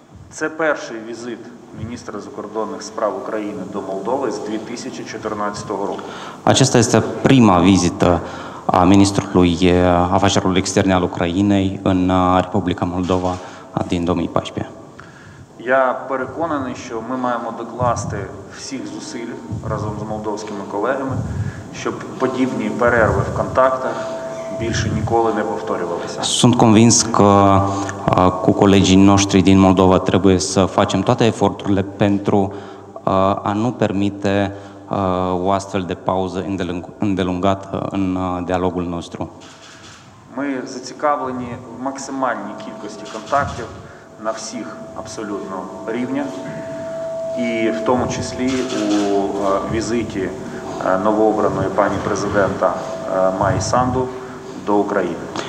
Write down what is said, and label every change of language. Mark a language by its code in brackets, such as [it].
[uk] Це перший візит міністра закордонних справ України до Молдови з 2014 року. [ro] Aceasta este prima vizită a ministrului afacerilor externe al Ucrainei în Republica Moldova din 2014. [uk] Я переконаний, що ми маємо докласти всіх зусиль разом з молдовськими колегами, щоб подібні перерви в контактах більше ніколи не повторювалися. [ro] Sunt convins că cu colegii noștri din Moldova trebuie să facem toate eforturile pentru a nu permite o astfel de pauză îndelungată în dialogul nostru. [uk] Ми зацікавлені в максимальній кількості контактів на всіх абсолютно рівнях і в тому числі у візиті новообраної пані президента Майі Санду до України.